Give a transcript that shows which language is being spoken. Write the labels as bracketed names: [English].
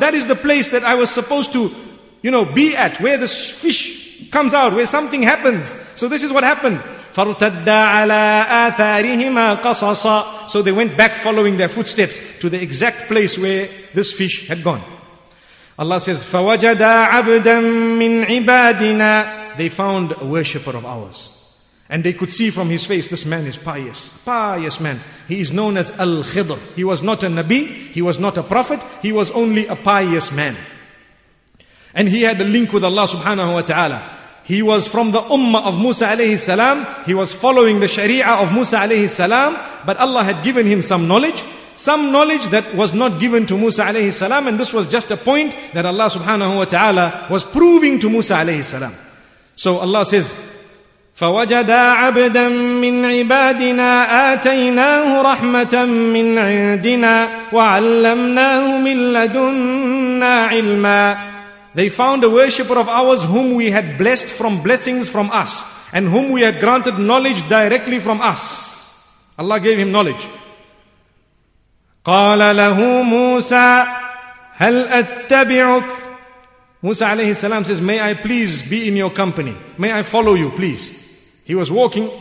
[English] That is the place that I was supposed to, you know, be at, where this fish comes out, where something happens. So this is what happened. [Arabic] فَارْتَدَّ عَلَىٰ آثَارِهِمَا قَصَصًا. [English] So they went back following their footsteps to the exact place where this fish had gone. Allah says, [Arabic] فَوَجَدَا عَبْدًا مِّنْ عِبَادِنَا. [English] They found a worshipper of ours. And they could see from his face, this man is pious. Pious man. He is known as Al-Khidr. He was not a Nabi. He was not a prophet. He was only a pious man. And he had a link with Allah subhanahu wa ta'ala. He was from the ummah of Musa alayhi salam. He was following the sharia of Musa alayhi salam. But Allah had given him some knowledge. Some knowledge that was not given to Musa alayhi salam. And this was just a point that Allah subhanahu wa ta'ala was proving to Musa alayhi salam. So Allah says, [Arabic] فَوَجَدَا عَبْدًا مِّنْ عِبَادِنَا آتَيْنَاهُ رَحْمَةً مِّنْ عِنْدِنَا وَعَلَّمْنَاهُ مِنْ لَدُنَّا عِلْمًا. [English] They found a worshipper of ours whom we had blessed from blessings from us, and whom we had granted knowledge directly from us. Allah gave him knowledge. [Arabic] قَالَ لَهُ مُوسَى هَلْ أَتَّبِعُكَ. [English] Musa alayhi salam says, may I please be in your company? May I follow you, please? He was walking.